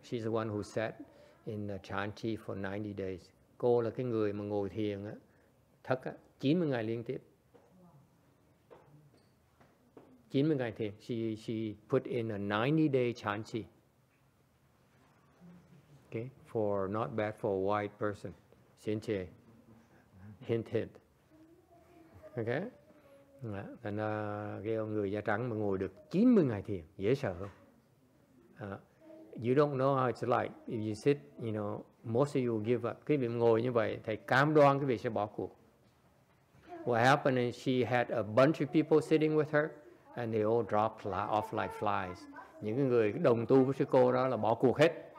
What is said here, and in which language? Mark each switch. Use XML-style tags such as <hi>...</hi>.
<en>She's the one who sat in the chan chi for 90 days.</en> <vi>Cô là cái người mà ngồi thiền á, thất á, 90 ngày liên tiếp. 90 ngày thiền,</vi> <en>she put in a 90-day chan chi. Okay, for not bad for a white person.</en> <vi>Xin chê.</vi> <en>Hint, hint. Okay?</en> <vi>Thành ra cái ông người da trắng mà ngồi được 90 ngày thiền, dễ sợ không?</vi> <en>You don't know how it's like. If you sit, you know, Most of you give up.</en> <vi>Quý vị ngồi như vậy, thầy cam đoan quý vị sẽ bỏ cuộc.</vi> <en>What happened is she had a bunch of people sitting with her and they all dropped off like flies.</en> <vi>Những người đồng tu với sư cô đó là bỏ cuộc hết.</vi>